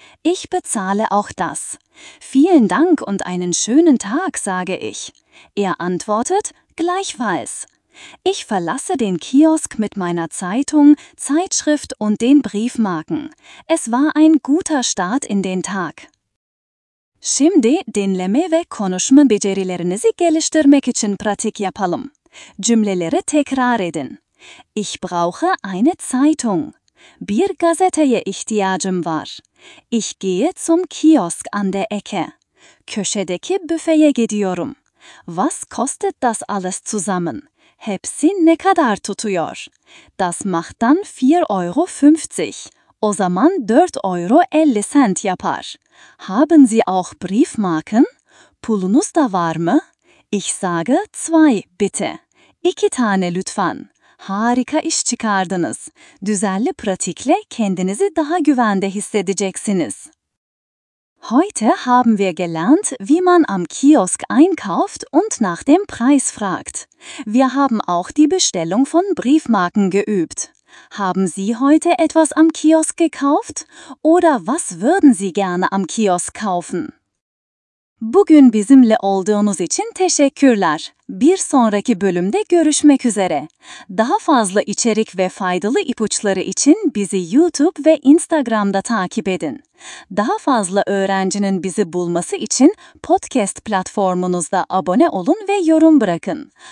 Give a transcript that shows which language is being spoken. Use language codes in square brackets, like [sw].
[de] Ich bezahle auch das. Vielen Dank und einen schönen Tag, sage ich. Er antwortet, gleichfalls. Ich verlasse den Kiosk mit meiner Zeitung, Zeitschrift und den Briefmarken. Es war ein guter Start in den Tag. [tr] Şimdi dinleme ve konuşma becerilerinizi geliştirmek için pratik yapalım. Cümleleri tekrar edin. [de] Ich brauche eine Zeitung. [tr] Bir gazeteye ihtiyacım var. [de] Ich gehe zum Kiosk an der Ecke. [tr] Köşedeki büfeye gidiyorum. [de] Was kostet das alles zusammen? [tr] Hepsi ne kadar tutuyor? [de] Das macht dann 4,50 Euro. [tr] O zaman 4,50 Euro yapar. [de] Haben Sie auch Briefmarken? [tr] Pulunuz da var mı? [de] Ich sage 2, bitte. [tr] 2 tane lütfen. Harika iş çıkardınız. Düzenli pratikle kendinizi daha güvende hissedeceksiniz. [de] Heute haben wir gelernt, wie man am Kiosk einkauft und nach dem Preis fragt. Wir haben auch die Bestellung von Briefmarken geübt. Haben Sie heute etwas am Kiosk gekauft? Oder was würden Sie gerne am Kiosk kaufen? [tr] Bugün bizimle olduğunuz için teşekkürler. Bir sonraki bölümde görüşmek üzere. Daha fazla içerik ve faydalı ipuçları için bizi YouTube ve Instagram'da takip edin. Daha fazla öğrencinin bizi bulması için podcast platformunuzda abone olun ve yorum bırakın.